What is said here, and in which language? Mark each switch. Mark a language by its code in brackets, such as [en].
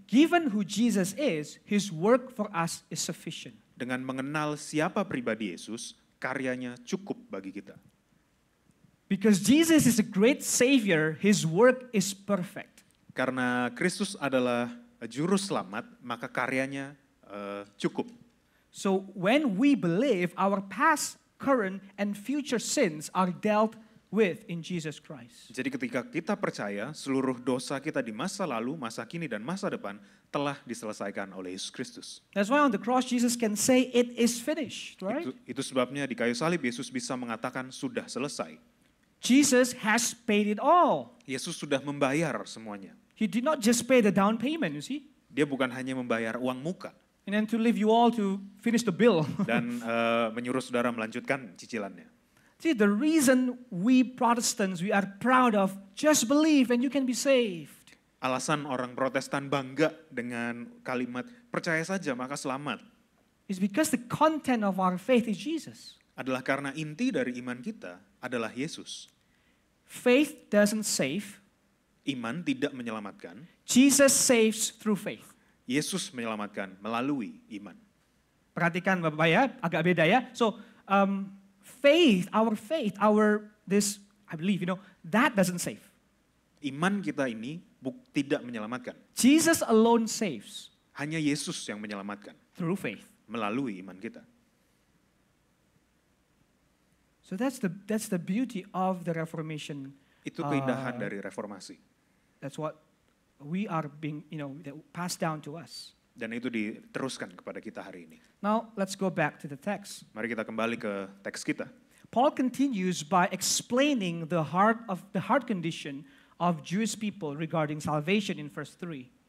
[en] given who Jesus is, his work for us is sufficient. [id] Dengan mengenal siapa pribadi Yesus, karyanya cukup bagi kita. [en] Because Jesus is a great savior, his work is perfect. [id] Karena Kristus adalah juru selamat, maka karyanya cukup. [en] So when we believe, our past, current, and future sins are dealt with in Jesus Christ. [id] Jadi ketika kita percaya, seluruh dosa kita di masa lalu, masa kini, dan masa depan telah diselesaikan oleh Yesus Kristus. [en] That's why on the cross Jesus can say it is finished, right? [id] Itu sebabnya di kayu salib Yesus bisa mengatakan sudah selesai. [en] Jesus has paid it all. [id] Yesus sudah membayar semuanya. [en] He did not just pay the down payment, you see? [id] Dia bukan hanya membayar uang muka. [en] And then to leave you all to finish the bill. [id] Dan menyuruh saudara melanjutkan cicilannya. [en] See, the reason we Protestants, we are proud of, just believe and you can be saved. [id] Alasan orang Protestan bangga dengan kalimat, percaya saja maka selamat. [en] It's because the content of our faith is Jesus. [id] Adalah karena inti dari iman kita adalah Yesus. [en] Faith doesn't save. [id] Iman tidak menyelamatkan. [en] Jesus saves through faith. [id] Yesus menyelamatkan melalui iman. Perhatikan Bapak ya, agak beda ya. [en] So, faith, our this, I believe, you know, that doesn't save. [id] iman kita ini tidak menyelamatkan. [en] Jesus alone saves. [id] Hanya Yesus yang menyelamatkan. [en] Through faith. [id] Melalui iman kita. [en] So that's the beauty of the Reformation. [id] Itu keindahan dari reformasi. [en] That's what we are being, you know, passed down to us. [id] Dan itu diteruskan kepada kita hari ini. [en] Now let's go back to the text. [id] Mari kita kembali ke teks kita. [en] Paul continues by explaining the heart condition of Jewish people regarding salvation in verse 3.